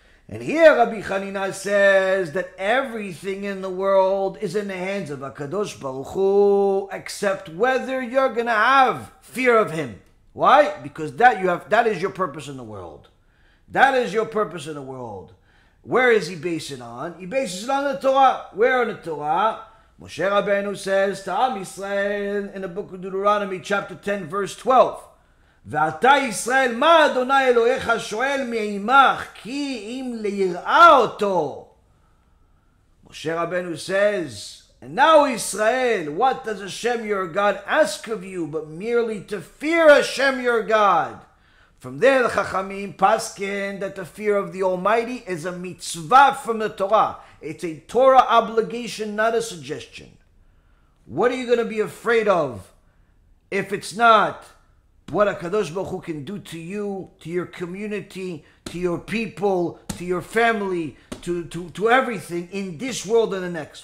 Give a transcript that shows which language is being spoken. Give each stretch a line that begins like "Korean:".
English: And here Rabbi Chanina says that everything in the world is in the hands of HaKadosh Baruch Hu, except whether you're going to have fear of Him. Why? Because that is your purpose in the world. That is your purpose in the world. Where is He basing on? He bases it on the Torah. Where in the Torah? Moshe Rabbeinu says to Am Yisrael in the book of Deuteronomy chapter 10 verse 12.
Hebrew: ואתה ישראל, מה אדוני אלוהיך שואל מעימך, כי אם ליראה אותו.
English: משה רבנו says, and now Israel, what does Hashem your God ask of you, but merely to fear Hashem your God. From there the Chachamim paskin that the fear of the Almighty is a mitzvah from the Torah. It's a Torah obligation, not a suggestion. What are you going to be afraid of if it's not what HaKadosh Baruch Hu can do to you, to your community, to your people, to your family, to everything in this world and the next?